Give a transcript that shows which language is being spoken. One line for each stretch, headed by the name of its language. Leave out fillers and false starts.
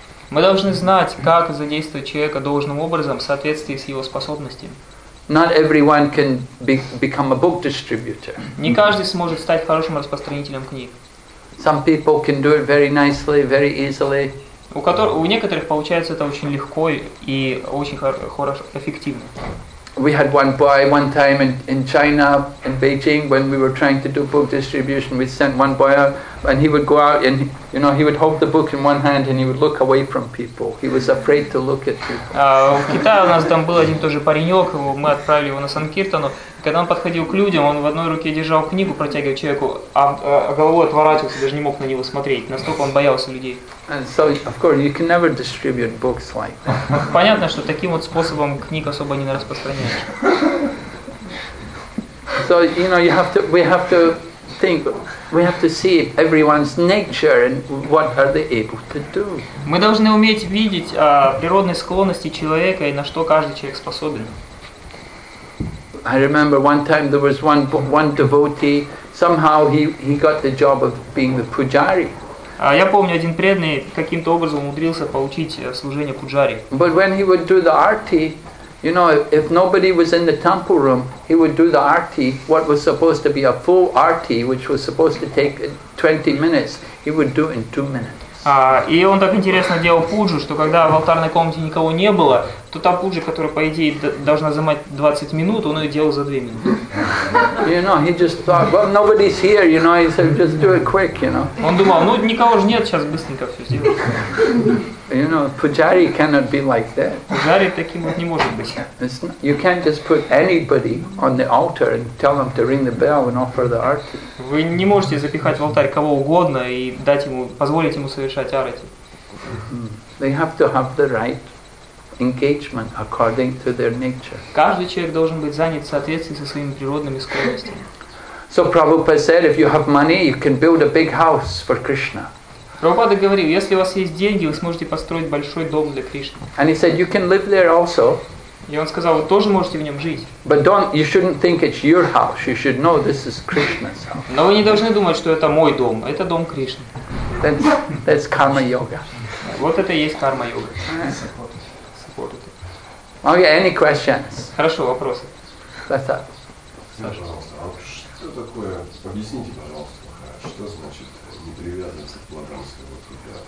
Russian: Мы должны знать, как задействовать человека должным образом в соответствии с его способностями.
English: Not everyone can become a book distributor.
Russian: Не каждый сможет стать хорошим распространителем книг.
English: Some people can do it very nicely, very easily.
Russian: У некоторых получается это очень легко и очень хорошо, эффективно.
English: We had one boy one time in China, in Beijing, when we were trying to do book distribution. We sent one boy out, and he would go out and, you know, he would hold the book in one hand and he would look away from people. He was afraid to look at people.
Russian: В Китае у нас там был один тоже паренек, мы отправили его на Санкиртану. Когда он подходил к людям, он в одной руке держал книгу, протягивал человеку, а головой отворачивался, даже не мог на него смотреть. Настолько он боялся людей.
English: And so, of course, you can never distribute books like that.
Russian: Понятно, что таким вот способом книг особо не распространяешь.
English: So, you know, we have to see everyone's nature and what are they able to do.
Russian: Мы должны уметь видеть природные склонности человека и на что каждый человек способен.
English: I remember one time there was one devotee, somehow he got the job of being the pujari.
Russian: Я помню, один преданный каким-то образом умудрился получить служение пуджари.
English: But when he would do the arti, you know, if nobody was in the temple room, he would do the arti, what was supposed to be a full arti, which was supposed to take 20 minutes, he would do in 2 minutes.
Russian: И он так интересно делал пуджу, что когда в алтарной комнате никого не было, то та пуджа, которая, по идее, должна занимать 20 минут, он ее делал за 2 минуты.
English: You know, he just thought, well, nobody's here, you know, he said, just do it quick, you know.
Russian: Он думал, ну никого же нет, сейчас быстренько все сделаю.
English: You know, pujari cannot be like that.
Russian: Пуджари таким вот не может быть.
English: You can't just put anybody on the altar and tell them to ring the bell and offer the arti.
Russian: Вы не можете запихать в алтарь кого угодно и дать ему, позволить ему совершать арати.
English: They have to have the right engagement according to their nature.
Russian: Каждый человек должен быть занят в соответствии со своими природными склонностями.
English: So Prabhupada said, if you have money, you can build a big house for Krishna.
Russian: Prabhupada говорил, если у вас есть деньги, вы сможете построить большой дом для Кришны.
English: And he said, you can live there also.
Russian: И он сказал, вы тоже можете в нем жить.
English: But don't, you shouldn't think it's your house. You should know this is Krishna's house.
Russian: Но вы не должны думать, что это мой дом. Это дом Кришны.
English: That's karma yoga.
Russian: Вот это и есть карма йога.
English: Okay, any questions?
Russian: Хорошо, вопросы. Саша. Что такое? Объясните, пожалуйста, что значит непривязанность к плодам своего труда?